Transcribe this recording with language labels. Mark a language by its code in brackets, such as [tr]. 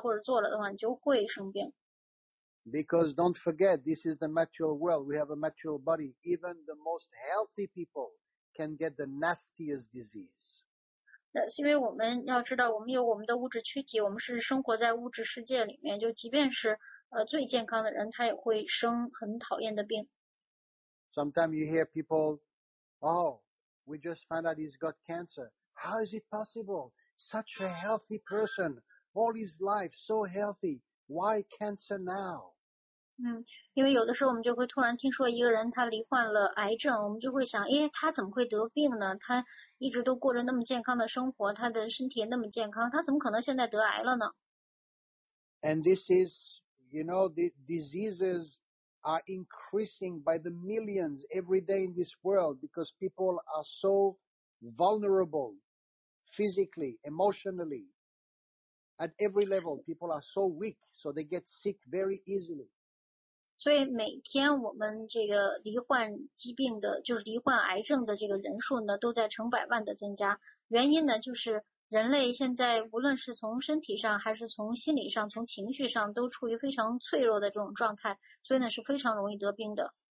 [zh] 比如说呢，有一些这个食物或者有一些事情，你要是吃了，要是做了的话呢，你就不会生病；但是有些食物或者有些事儿，你要是吃了或者做了的话，你就会生病。 [en] Because don't forget, this is the material world. We have a material body. Even the most healthy people can get the nastiest disease. [zh] 那是因为我们要知道，我们有我们的物质躯体，我们是生活在物质世界里面，就即便是最健康的人，他也会生很讨厌的病。 [en] Sometimes you hear people, oh, we just found out he's got cancer. How is it possible? Such a healthy person, all his life so healthy. Why cancer now? [zh] 因为有的时候我们就会突然听说一个人他罹患了癌症，我们就会想，哎，他怎么会得病呢？他一直都过着那么健康的生活，他的身体那么健康，他怎么可能现在得癌了呢？ [en] And this is, you know, the diseases are increasing by the millions every day in this world because people are so vulnerable physically, emotionally. At every level, people are so weak, so they get sick very easily. [zh] 所以每天我们这个罹患疾病的，就是罹患癌症的这个人数呢，都在成百万的增加。原因呢，就是人类现在无论是从身体上，还是从心理上，从情绪上，都处于非常脆弱的这种状态，所以呢，是非常容易得病的。